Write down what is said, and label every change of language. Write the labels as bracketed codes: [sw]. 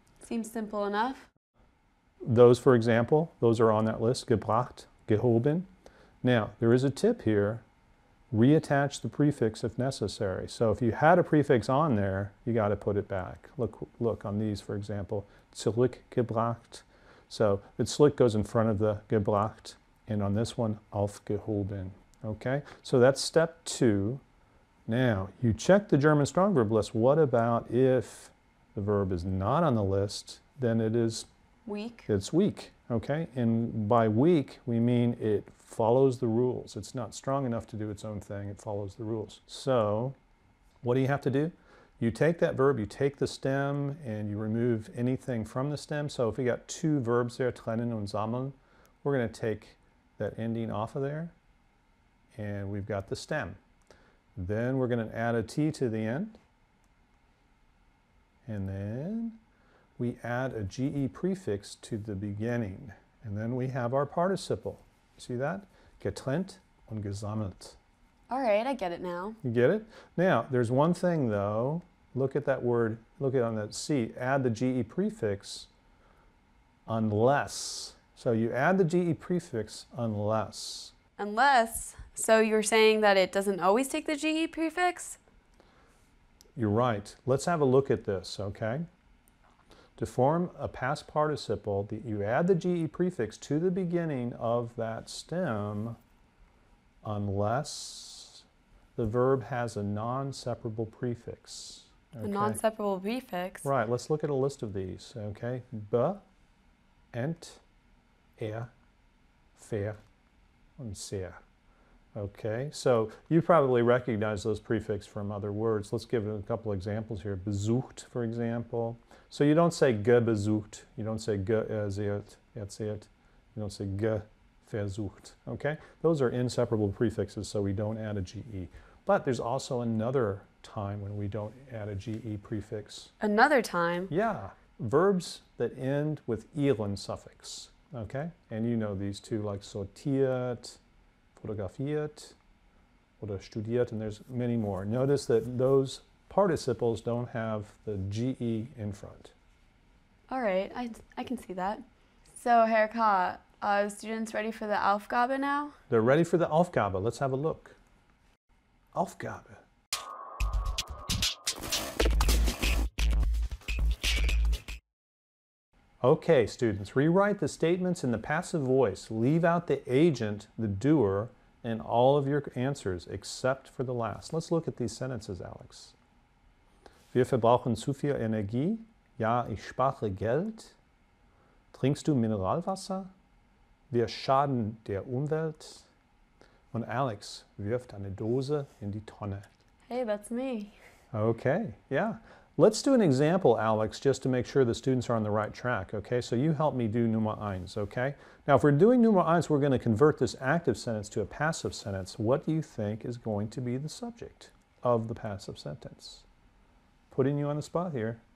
[en] Seems simple enough. Those, for example, those are on that list, gebracht, gehoben. Now, there is a tip here. Reattach the prefix if necessary. So if you had a prefix on there, you got to put it back. Look on these, for example, zurückgebracht. So the zurück goes in front of the gebracht, and on this one, aufgehoben. Okay, so that's step two. Now, you check the German strong verb list. What about if the verb is not on the list? Then Weak. it's weak. Okay, and by weak, we mean it follows the rules. It's not strong enough to do its own thing. It follows the rules. So, what do you have to do? You take that verb, you take the stem, and you remove anything from the stem. So, if we got two verbs there, trennen and sammeln, we're going to take that ending off of there, and we've got the stem. Then we're going to add a T to the end, and then we add a GE prefix to the beginning, and then we have our participle. See that? [de] Getrennt und gesammelt. [en] All right, I get it now. You get it? Now, there's one thing though. Look at that word, look at it on that C. Add the GE prefix unless. So you add the GE prefix unless. Unless, so you're saying that it doesn't always take the GE prefix? You're right. Let's have a look at this, okay? To form a past participle, that you add the GE prefix to the beginning of that stem unless the verb has a non-separable prefix. A Okay. non-separable prefix. Right, let's look at a list of these. Okay. Be, ent, er, fair, and sehr. Okay, so you probably recognize those prefix from other words. Let's give a couple examples here. Besucht, for example. So you don't say gebesucht. You don't say geerzählt, erzählt. You don't say geversucht. Okay, those are inseparable prefixes, so we don't add a GE. But there's also another time when we don't add a GE prefix. Another time. Yeah, verbs that end with -ieren suffix. Okay, and you know these two, like sortiert, fotografiert, oder studiert, and there's many more. Notice that those participles don't have the GE in front. All right, I can see that. So, Herr Ka, are students ready for the Aufgabe now? They're ready for the Aufgabe. Let's have a look. Aufgabe. Okay, students, rewrite the statements in the passive voice. Leave out the agent, the doer, and all of your answers except for the last. Let's look at these sentences, Alex. [de] Wir verbrauchen zu viel Energie. Ja, ich spare Geld. Trinkst du Mineralwasser? Wir schaden der Umwelt. Und Alex wirft eine Dose in die Tonne. [en] Hey, that's me. Okay, yeah. Let's do an example, Alex, just to make sure the students are on the right track, okay? So you help me do [de] Nummer eins, [en] okay? Now, if we're doing Nummer eins, we're going to convert this active sentence to a passive sentence. What do you think is going to be the subject of the passive sentence? Putting you on the spot here.